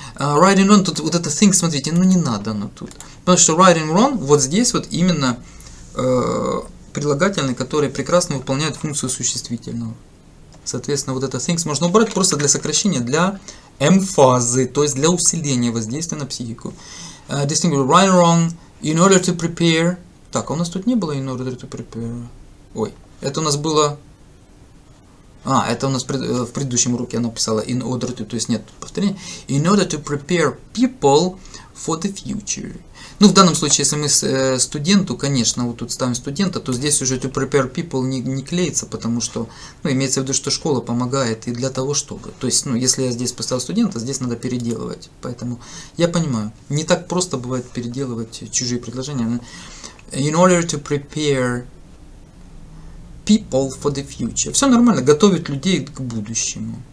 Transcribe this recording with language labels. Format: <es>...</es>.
<en>Right and wrong,</en> <ru>тут вот это things, смотрите, ну не надо оно тут. Потому что right and wrong, вот здесь вот именно прилагательный, который прекрасно выполняет функцию существительного. Соответственно, вот это things можно убрать просто для сокращения, для эмфазы, то есть для усиления воздействия на психику.</ru> <en>Distinguish right and wrong in order to prepare.</en> <ru>Так, а у нас тут не было</ru> <en>in order to prepare.</en> <ru>Ой, это у нас было... А, это у нас в предыдущем уроке она писала in order to, то есть нет повторения.</ru> <en>In order to prepare people for the future.</en> <ru>Ну, в данном случае, если мы студенту, конечно, вот тут ставим студента, то здесь уже</ru> <en>to prepare people</en> <ru>не клеится, потому что, ну, имеется в виду, что школа помогает и для того, чтобы. То есть, ну, если я здесь поставил студента, здесь надо переделывать. Поэтому я понимаю, не так просто бывает переделывать чужие предложения.</ru> <en>In order to prepare people for the future.</en> <ru>Все нормально, готовить людей к будущему.</ru>